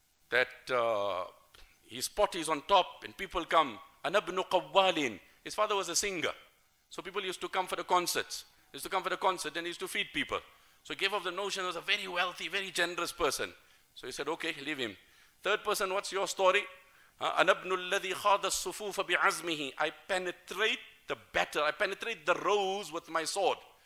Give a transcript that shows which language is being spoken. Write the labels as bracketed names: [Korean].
[English] That his pot is on top and people come. [Arabic] أَنَا بْنُ قَوَّالٍ. [English] His father was a singer. So people used to come for the concerts. Used to come for the concert and used to feed people. So he gave off the notion he was a very wealthy, very generous person. So he said, okay, leave him. Third person, what's your story? [Arabic] أَنَبْنُ الَّذِي خَاضَ الصُّفُوفَ بِعَزْمِهِ. [English] I penetrate the battle, I penetrate the rows with my sword.